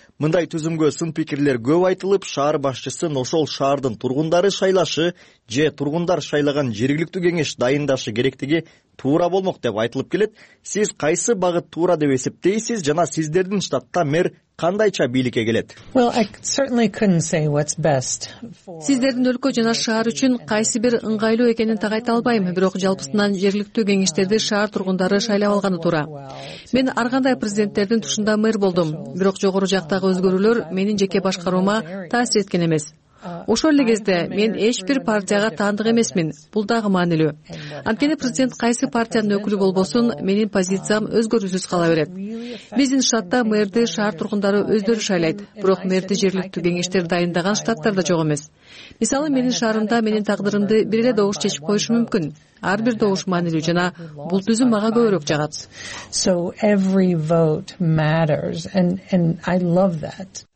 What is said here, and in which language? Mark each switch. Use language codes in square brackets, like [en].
[ky] Мындай түзүмгө сын пикирлер көп айтылып, шаар башчысын ошол шаардын тургундары шайлашы же тургундар шайлаган жергиликтүү кеңеш дайындашы керектиги туура болмок деп айтылып келет. Сиз кайсы багыт туура деп эсептейсиз жана сиздердин штатта мэр кандайча бийликке келет? [en] Well, I certainly couldn't say what's best for [ky] сиздердин өлкө жана шаар үчүн кайсы бир ыңгайлуу экенин так айта албайм, бирок жалпысынан жергиликтүү кеңештерди шаар тургундары шайлап алганы туура. Мен ар кандай президенттердин тушунда мэр болдум, бирок жогору жактагы өзгөрүүлөр менин жеке башкарууума таасир эткен эмес. Ошол эле кезде мен эч бир партияга таандык эмесмин. Бул дагы маанилүү. Анткени президент кайсы партиянын өкүлү болбосун, менин позициям өзгөрүүсүз кала берет. Биздин штатта мэрди шаар тургундары өздөрү шайлайт, бирок мэрди жергиликтүү кеңештер дайындаган штаттарда жок эмес. Мисалы, менин шаарымда менин тагдырымды бир эле добуш чечип коюшу мүмкүн. Ар бир добуш маанилүү жана бул түзүм мага көбүрөөк жагат. [en] So every vote matters and I love that.